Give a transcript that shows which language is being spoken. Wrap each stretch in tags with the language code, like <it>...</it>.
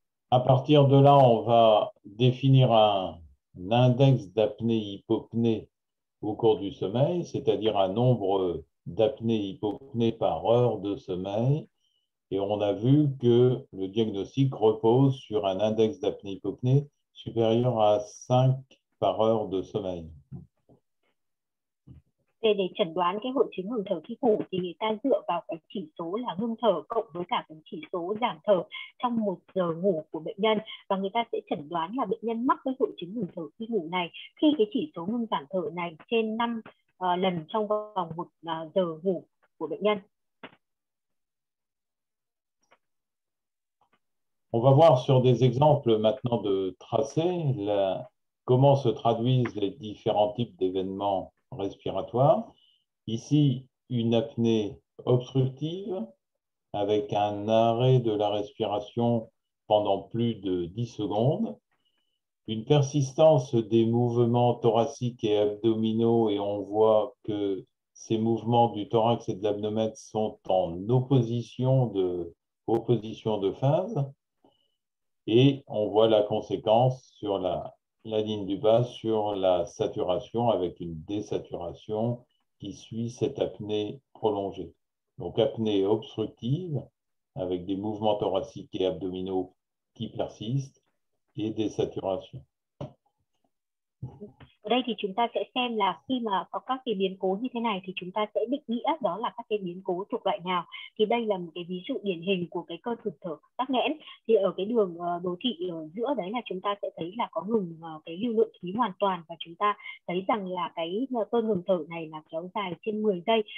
<fr>À partir de là, on va définir un index d'apnée-hypopnée au cours du sommeil, c'est-à-dire un nombre d'apnées-hypopnées par heure de sommeil. Et on a vu que le diagnostic repose sur un index d'apnée-hypopnée supérieur à 5 par heure de sommeil.</fr> <vi>Để chẩn đoán cái hội chứng ngừng thở khi ngủ thì người ta dựa vào cái chỉ số là ngừng thở cộng với cả cái chỉ số giảm thở trong một giờ ngủ của bệnh nhân, và người ta sẽ chẩn đoán là bệnh nhân mắc cái hội chứng ngừng thở khi ngủ này khi cái chỉ số ngừng giảm thở này trên 5 lần trong vòng một giờ ngủ của bệnh nhân.</vi> <fr>On va voir sur des exemples maintenant de tracés comment se traduisent les différents types d'événements respiratoire. Ici, une apnée obstructive avec un arrêt de la respiration pendant plus de 10 secondes, une persistance des mouvements thoraciques et abdominaux, et on voit que ces mouvements du thorax et de l'abdomen sont en opposition de phase, et on voit la conséquence sur la ligne du bas sur la saturation avec une désaturation qui suit cette apnée prolongée. Donc apnée obstructive avec des mouvements thoraciques et abdominaux qui persistent et désaturation.</fr> <vi>Ở đây thì chúng ta sẽ xem là khi mà có các cái biến cố như thế này thì chúng ta sẽ định nghĩa đó là các cái biến cố thuộc loại nào. Thì đây là một cái ví dụ điển hình của cái cơ thực thở tắc nghẽn. Thì ở cái đường đồ thị ở giữa đấy là chúng ta sẽ thấy là có ngừng cái lưu lượng khí hoàn toàn, và chúng ta thấy rằng là cái cơn ngừng thở này là kéo dài trên 10 giây.</vi>